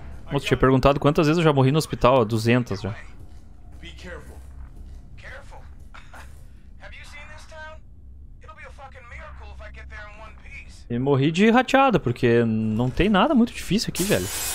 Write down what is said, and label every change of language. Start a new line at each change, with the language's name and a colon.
Portuguese: Nossa, tinha perguntado quantas vezes eu já morri no hospital. 200 já.
English: Be careful. Have you seen this town? It'll be a fucking miracle if I get there in one piece.
Portuguese: E morri de rateada, porque não tem nada muito difícil aqui, velho.